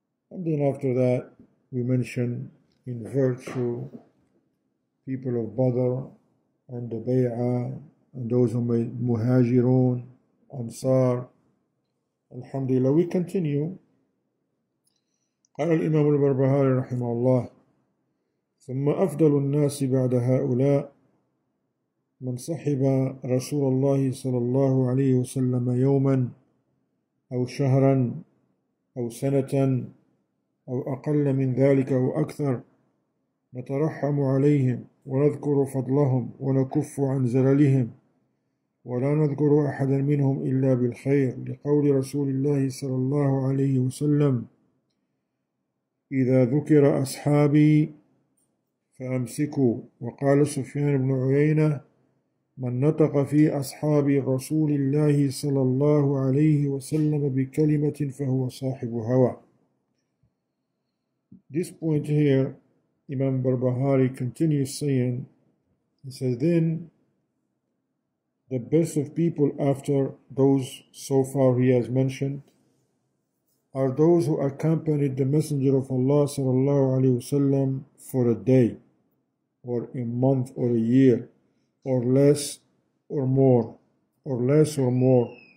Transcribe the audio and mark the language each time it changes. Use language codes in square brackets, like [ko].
[en] And then after that, we mention in virtue people of Badr and the Bay'ah and those who made Muhajirun, Ansar. Alhamdulillah, we continue. [ar] قال الإمام البربهاري رحمه الله ثم أفضل الناس بعد هؤلاء من صحب رسول الله صلى الله عليه وسلم يوما أو شهرا أو سنة أو أقل من ذلك أو أكثر نترحم عليهم ونذكر فضلهم ونكف عن زللهم ولا نذكر أحدا منهم إلا بالخير لقول رسول الله صلى الله عليه وسلم إذا ذكر أصحابي فأمسكوا وقال سفيان بن عيينة من نطق في أصحاب رسول الله صلى الله عليه وسلم بكلمة فهو صاحب هوى. [en] This point here, Imam Barbahari continues saying, he says, then the best of people after those so far he has mentioned are those who accompanied the Messenger of Allah sallallahu alaihi wasallam for a day or a month or a year or less or more or less or more.